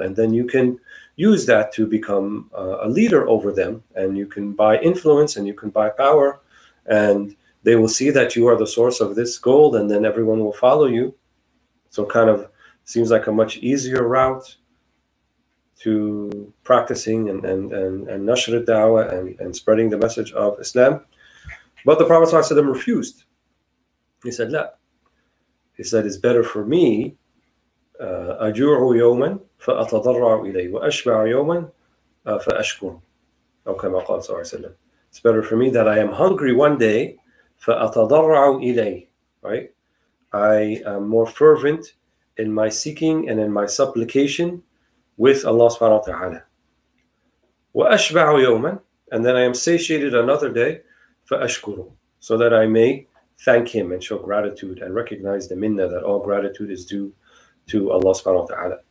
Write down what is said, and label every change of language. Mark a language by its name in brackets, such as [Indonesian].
[English] And then you can use that to become a leader over them, and you can buy influence, and you can buy power, and they will see that you are the source of this gold, and then everyone will follow you. So kind of seems like a much easier route to practicing and nashr al-da'wah and spreading the message of Islam. But the Prophet ﷺ refused. He said, "La." He said, "It's better for me, [Arabic] أَجُوعُ يَوْمًا فَأَتَضَرَّعُ إِلَيْهِ وَأَشْبَعُ يَوْمًا فَأَشْكُرُ أو كما قال صلى الله عليه وسلم. [English] It's better for me that I am hungry one day, [Arabic] فَأَتَضَرَّعُ إِلَيْهِ, [English] right? I am more fervent in my seeking and in my supplication with Allah subhanahu wa ta'ala. [Arabic] وَأَشْبَعُ يَوْمًا, [English] and then I am satiated another day, [Arabic] فَأَشْكُرُ, [English] so that I may thank him and show gratitude and recognize the minna, that all gratitude is due to Allah subhanahu wa ta'ala.